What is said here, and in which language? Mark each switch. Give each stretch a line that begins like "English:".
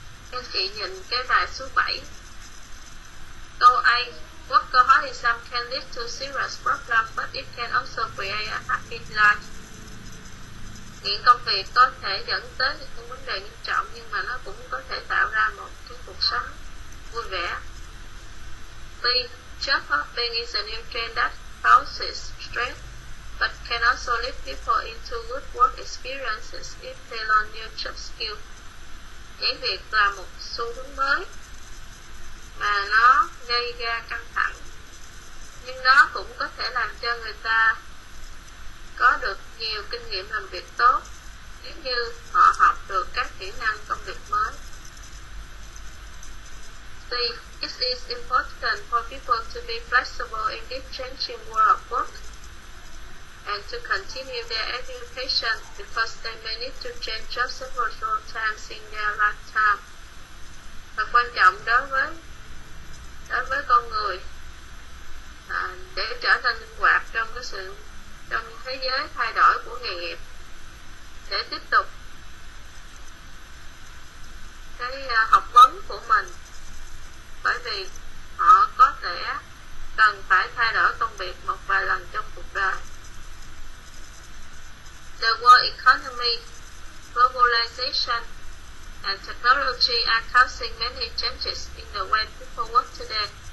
Vietnamese: Các chị nhìn cái bài số 7. Câu A:
English: Workaholism can lead to serious problems, but it can also create a happy life.
Vietnamese: nghiện công việc có thể dẫn tới những vấn đề nghiêm trọng, nhưng mà nó cũng có thể tạo ra một cái cuộc sống vui vẻ.
English: Tuy job hopping is a new trend that causes stress, but can also lead people into good work experiences if they learn new job skills.
Vietnamese: Nhảy việc là một xu hướng mới mà nó gây ra căng thẳng, nhưng nó cũng có thể làm cho người ta có được nhiều kinh nghiệm làm việc tốt nếu như họ học được các kỹ năng công việc mới.
English: It is important for people to be flexible in this changing world of work and to continue their education because they may need to change jobs several times in their lifetime.
Vietnamese: Và quan trọng đối với con người để trở nên linh hoạt trong cái sự trong thế giới thay đổi của nghề nghiệp, để tiếp tục cái học vấn của mình, bởi vì họ có thể cần phải thay đổi công việc một vài lần trong cuộc đời.
English: The world economy, globalization and technology are causing many changes in the way people work today.